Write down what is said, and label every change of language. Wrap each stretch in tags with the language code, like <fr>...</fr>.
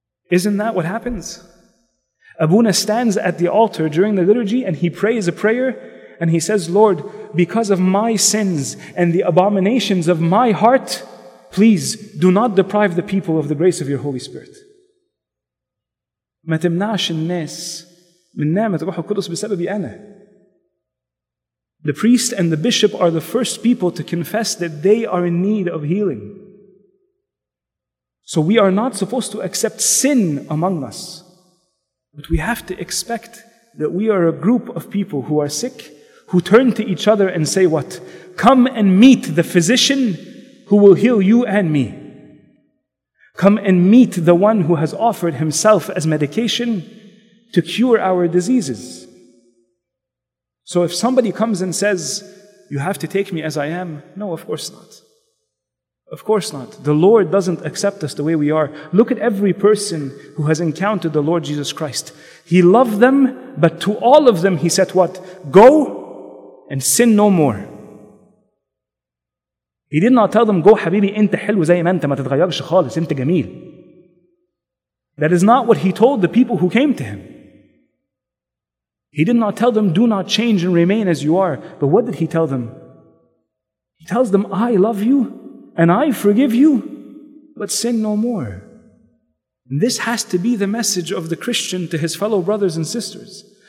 <en>Isn't that what happens? Abuna stands at the altar during the liturgy and he prays a prayer. And he says, Lord, because of my sins and the abominations of my heart, please do not deprive the people of the grace of your Holy Spirit.</en> <ar>ما تمنعش الناس من نعمة روح القدس بسببي أنا.</ar> <en>The priest and the bishop are the first people to confess that they are in need of healing. So we are not supposed to accept sin among us. But we have to expect that we are a group of people who are sick, who turn to each other and say what? Come and meet the physician who will heal you and me. Come and meet the one who has offered himself as medication to cure our diseases. So if somebody comes and says, you have to take me as I am, no, of course not. Of course not. The Lord doesn't accept us the way we are. Look at every person who has encountered the Lord Jesus Christ. He loved them, but to all of them he said what? Go and sin no more. He did not tell them, go, habibi,</en> <ar>انت حلو زي ما انت, ما تتغيرش خالص, انت جميل.</ar> <en>That is not what he told the people who came to him. He did not tell them, do not change and remain as you are. But what did he tell them? He tells them, I love you and I forgive you, but sin no more. And this has to be the message of the Christian to his fellow brothers and sisters.</en>